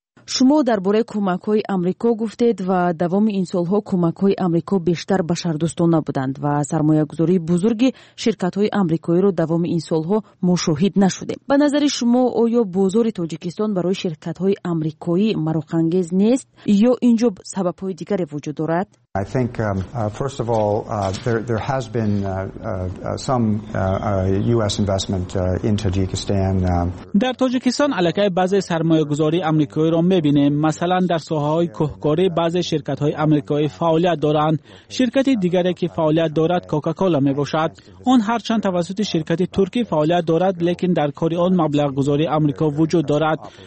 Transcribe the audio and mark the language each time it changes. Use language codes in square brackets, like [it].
[fa] شما درباره کمک های امریکا گفتید و دوام این سال ها کمک های امریکا بیشتر بشر دوستانه بودند و سرمایه گذاری بزرگی شرکت های امریکایی را دوام این سال ها مشاهد نشده. به نظر شما آیا بازار تاجیکستان برای شرکت های امریکایی مراقنگیز نیست یا اینجا سبب های دیگر وجود دارد؟ [en] I think first of all there has been some US investment in Tajikistan. [fa] در تاجیکستان علاقه بعضی سرمایه‌گذاری آمریکایی را می‌بینیم. مثلا در ساحه‌های کوهکاری بعضی شرکت‌های آمریکایی فعالیت دارند. شرکتی دیگری که فعالیت دارد کوکاکولا می‌باشد. آن هرچند توسط شرکت ترکی فعالیت دارد، لیکن در کار آن مبلغ‌گذاری آمریکا وجود دارد.